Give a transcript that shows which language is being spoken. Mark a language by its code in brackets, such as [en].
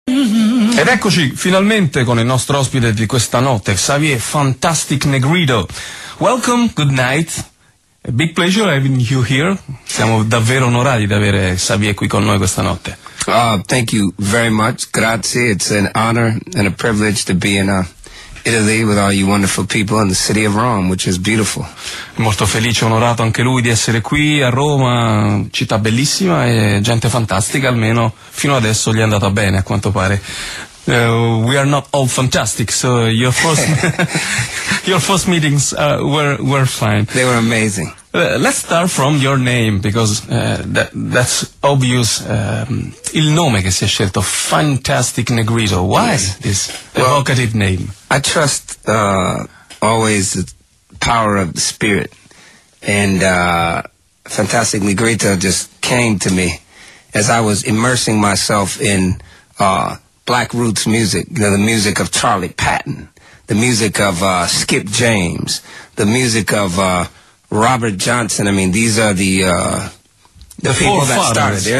[it] Ed eccoci finalmente con il nostro ospite di questa notte, Xavier Fantastic Negrito. [en] Welcome, good night. A big pleasure having you here. [it] Siamo davvero onorati di avere Xavier qui con noi questa notte. [en] Thank you very much. Grazie. It's an honor and a privilege to be in Italy with all you wonderful people in the city of Rome, which is beautiful. [it] Molto felice e onorato anche lui di essere qui a Roma, città bellissima e gente fantastica, almeno fino adesso gli è andata bene a quanto pare. [en] We are not all fantastic, so your first meetings were fine. They were amazing. Let's start from your name, because that's obvious. [it] Il nome che si è scelto, Fantastic Negrito. [en] Why this evocative name? I trust always the power of the spirit, and Fantastic Negrito just came to me as I was immersing myself in Black Roots music, you know, the music of Charlie Patton, the music of Skip James, the music of Robert Johnson. I mean, these are the people that started.